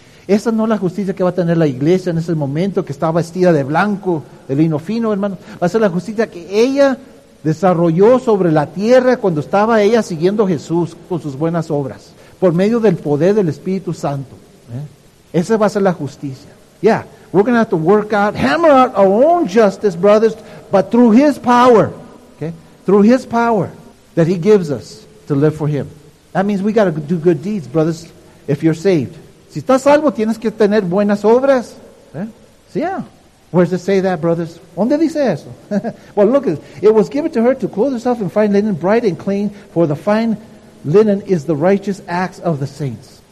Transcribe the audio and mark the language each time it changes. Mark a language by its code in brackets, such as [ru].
[es] Esa no es la justicia que va a tener la iglesia en ese momento que está vestida de blanco, de lino fino, hermano. Va a ser la justicia que ella desarrolló sobre la tierra cuando estaba ella siguiendo a Jesús con sus buenas obras, por medio del poder del Espíritu Santo. Esa va a ser la justicia. [en] Yeah, we're going to have to work out, hammer out our own justice, brothers, but through His power. Okay? Through His power that He gives us to live for Him. That means we got to do good deeds, brothers, if you're saved. [es] Si estás salvo, tienes que tener buenas obras. Eh? [en] So yeah, where does it say that, brothers? [es] ¿Dónde dice eso? [en] Well, look, it was given to her to clothe herself in fine linen, bright and clean, for the fine linen is the righteous acts of the saints.